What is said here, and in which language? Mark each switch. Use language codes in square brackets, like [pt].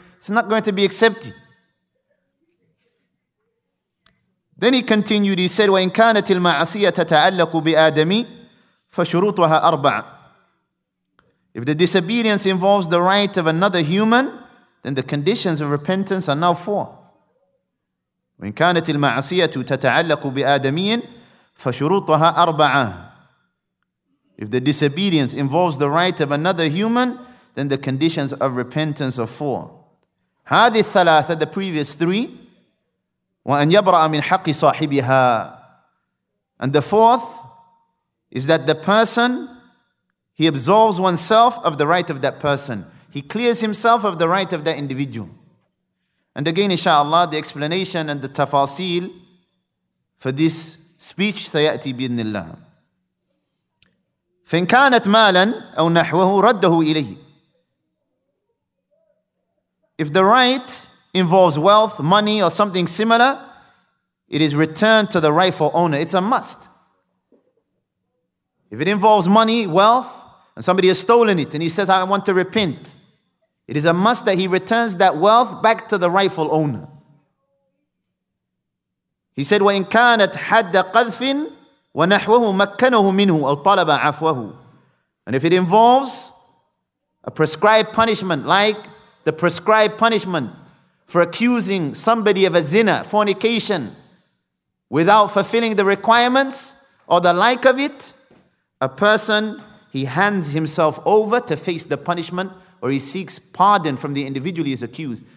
[en] It's not going to be accepted. [ar] Then he continued, he said, وَإِن كَانَتِ الْمَعَصِيَةَ تَتَعَلَّقُ بِآدَمِي فَشُرُوطُهَا أَرْبَعًا. [en] If the disobedience involves the right of another human, then the conditions of repentance are now four. [ar] وَإِن كَانَتِ الْمَعَصِيَةُ تَتَعَلَّقُ بِآدَمِيٍ فَشُرُوطُهَا أَرْبَعًا. [en] If the disobedience involves the right of another human, then the conditions of repentance are four. [ar] هذه الثلاثة, the previous three, وأن يبرأ من حق صاحبها. [en] And the fourth is that the person, he absolves oneself of the right of that person. He clears himself of the right of that individual. And again, inshallah, the explanation and the tafasil for this speech سيأتي بإذن الله. [ar] فإن كانت مالا أو نحوه رده إليه. [en] If the right involves wealth, money, or something similar, it is returned to the rightful owner. It's a must. If it involves money, wealth, and somebody has stolen it, and he says, I want to repent, it is a must that he returns that wealth back to the rightful owner. [ar] He said, وَإِن كَانَتْ حَدَّ قَذْفٍ وَنَحْوَهُ مَكَّنَهُ مِنْهُ أَلْطَلَبَ عَفْوَهُ. [en] And if it involves a prescribed punishment, like the prescribed punishment for accusing somebody of a zina, fornication, without fulfilling the requirements or the like of it, a person, he hands himself over to face the punishment, or he seeks pardon from the individual he is accused.